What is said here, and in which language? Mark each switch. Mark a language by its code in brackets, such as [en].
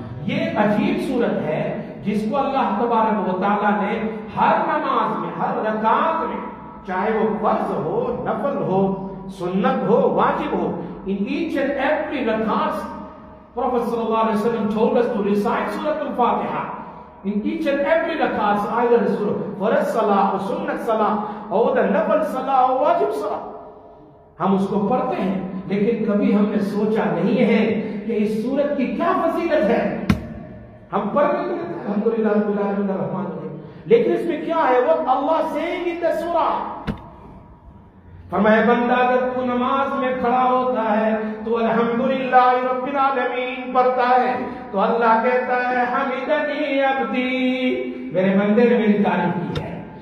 [ur] یہ عجیب صورت ہے جس کو اللہ تبارک و تعالیٰ نے ہر نماز میں, ہر رکعت میں, چاہے وہ فرض ہو, نفل ہو, سنت ہو, واجب ہو, [en] in each and every [ur] رکعت پروفیٹ صلی اللہ علیہ وسلم [en] told us to recite [ur] سورۃ الفاتحہ. [en] In each and every rakat, either the farz salah, or sunnat salah, or the nafl salah, or wajib salah, [ur] ہم اس کو پڑھتے ہیں. لیکن کبھی ہم نے سوچا نہیں ہے کہ اس سورت کی کیا فضیلت ہے. ہم پڑھتے الحمدللہ رحمان الرحیم, لیکن اس میں کیا ہے؟ وہ اللہ سے ہی سورہ. فرمایا بندہ اگر تو نماز میں کھڑا ہوتا ہے تو [ar] الحمدللہ رب العالمین [ur] پڑھتا ہے تو اللہ کہتا ہے [ar] حمیدنی عبدی, [ur] میرے بندے نے میری تعریف کی ہے.